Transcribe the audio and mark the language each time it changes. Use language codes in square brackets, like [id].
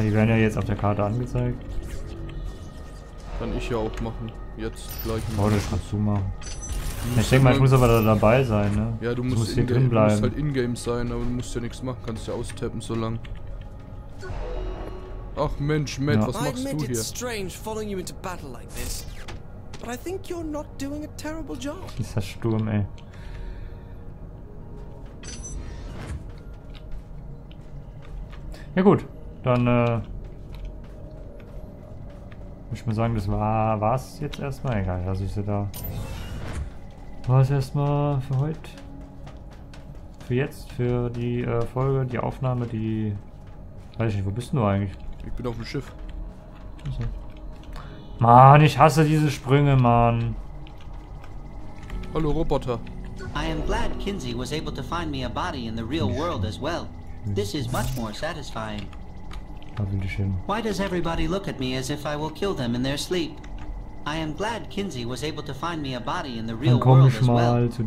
[de] Die werden ja jetzt auf der Karte angezeigt. Kann ich ja auch machen. Jetzt gleich. Oh, das kannst du machen. Ich denke mal, ich muss aber da dabei sein, ne? Ja, du musst hier drin bleiben. Du musst halt ingame sein, aber du musst ja nichts machen. Kannst ja austappen so lang. Ach Mensch, Matt, ja. Was machst du hier? [en] It's strange following you into battle like this. But I think you're not doing a terrible job. [de] Dieser Sturm, ey. Ja gut, dann ich muss sagen, das war's jetzt erstmal. Egal, lass ich sie da. War's erstmal für heute. Für jetzt, für die Folge, die Aufnahme, die. Weiß ich nicht, wo bist du eigentlich? Ich bin auf dem Schiff. Also. Mann, ich hasse diese Sprünge, Mann. Hallo, Roboter. Ich bin [en] glad Kinsey was able to find me a body in the real world as well. This is much more satisfying. Why does everybody look at me as if I will kill them in their sleep? I am glad Kinsey was able to find me a body in the real world as well.